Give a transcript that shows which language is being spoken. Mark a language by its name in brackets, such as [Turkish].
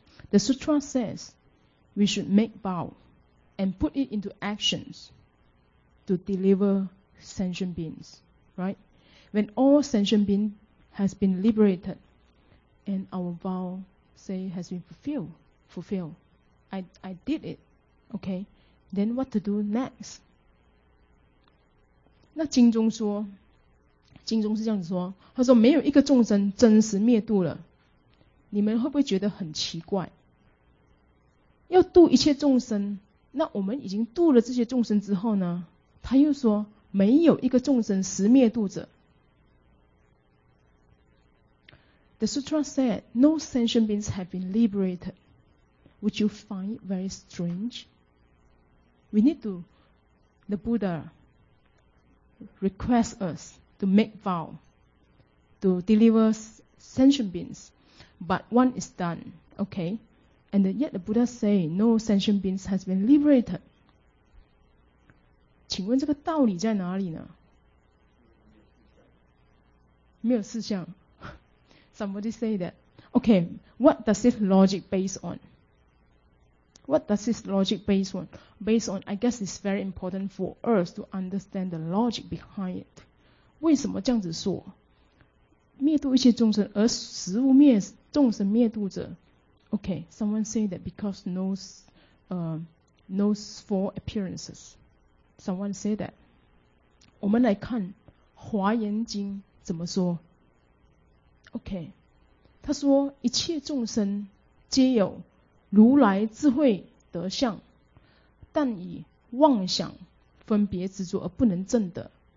[English] The sutra says we should make vow and put it into actionsto deliver sentient beings, right? When all sentient beings has been liberated and our vow, say, has been fulfilled, I did it, okay? Then what to do next? [Chinese] 那经中是这样子说，他说没有一个众生真实灭度了，你们会不会觉得很奇怪？要度一切众生，那我们已经度了这些众生之后呢，他又说没有一个众生实灭度者。 [English] The sutra said, no sentient beings have been liberated. Would you find it very strange? We need to, the Buddha requests us to make vow to deliver sentient beings. But one is done, okay? And yet the Buddha say, no sentient beings has been liberated. [Chinese] 请问这个道理在哪里呢？没有事项。 [English] Somebody say that. Okay, what does this logic base on? What does this logic base on? Based on, I guess it's very important for us to understand the logic behind it. [Chinese] 为什么这样子说？灭度一切众生，而实无灭众生灭度者。 [English] Okay, someone say that because no four appearances. Someone say that. [Chinese] 我们来看《华严经》怎么说。Okay, 他说一切众生皆有如来智慧德相，但以妄想分别执着而不能证得。